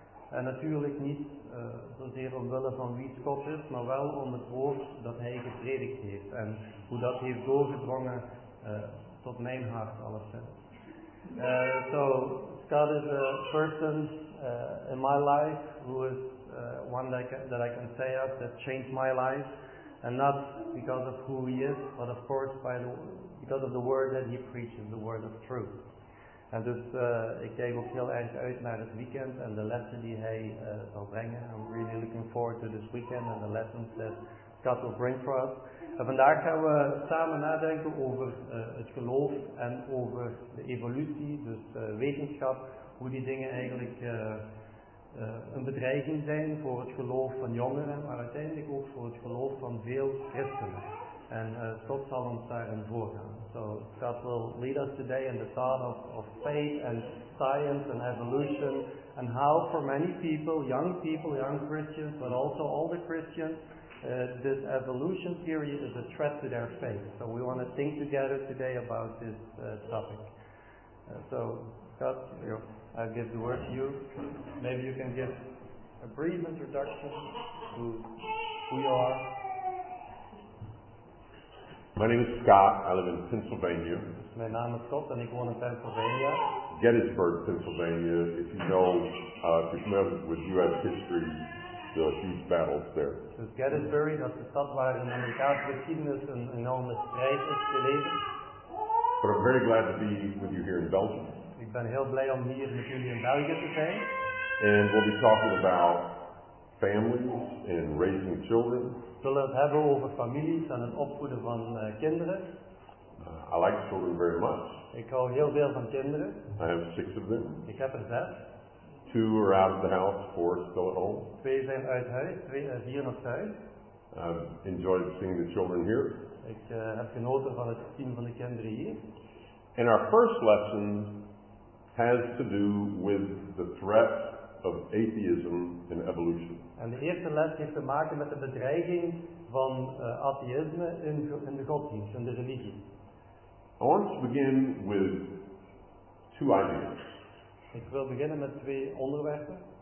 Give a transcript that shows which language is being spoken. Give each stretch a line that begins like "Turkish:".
Dutch: En natuurlijk niet zozeer omwille van wie Scott is, maar wel om het woord dat hij gepredikt heeft. En hoe dat heeft doorgedrongen tot mijn hart, alleszins.
English: Scott is a person in my life who is one that I can say of that changed my life, and not because of who he is, but of course because of the word that he preaches, the word of truth.
Dutch: And dus ik kijk ook heel erg uit naar het weekend en de lessen die hij zal brengen.
English: I'm really looking forward to this weekend and the lessons that Scott will bring for us.
Dutch: En vandaag gaan we samen nadenken over het geloof en over de evolutie, dus wetenschap, hoe die dingen eigenlijk een bedreiging zijn voor het geloof van jongeren, maar uiteindelijk ook voor het geloof van veel christenen. En God zal ons daarin voorgaan.
English: So God will lead us today in the thought of faith and science and evolution and how for many people, young Christians, but also older Christians, this evolution theory is a threat to their faith. So we want to think together today about this topic. So Scott, I'll give the word to you. Maybe you can give a brief introduction to who you are. My name is Scott. I live in Pennsylvania. My name is Scott and I live in Pennsylvania. Gettysburg, Pennsylvania. If you know, if you're familiar with U.S. history, the huge battles there.
Dutch: Dus Gettysburg, dat is de stad waar in Amerikaanse geschiedenis een enorme strijd is geleden.
English: But I'm very glad to be with you here in Belgium.
Dutch: Ik ben heel blij om hier met jullie in België te zijn.
English: And we'll be talking about families and raising children.
Dutch: We zullen het hebben over families en het opvoeden van kinderen.
English: I like children very much.
Dutch: Ik hou heel veel van kinderen.
English: I have six of them.
Dutch: Ik heb er zes.
English: Two are out of the house, four are still at home.
Dutch: Twee zijn uit huis, vier nog thuis.
English: I've enjoyed seeing the children here.
Dutch: Ik heb genoten van het zien van de kinderen hier.
English: And our first lesson has to do with the threat of atheism and evolution.
Dutch: En de eerste les heeft te maken met de bedreiging van atheïsme in de godsdienst, in de religie.
English: I want to begin with two ideas.
Dutch: Ik wil beginnen met twee onderwerpen.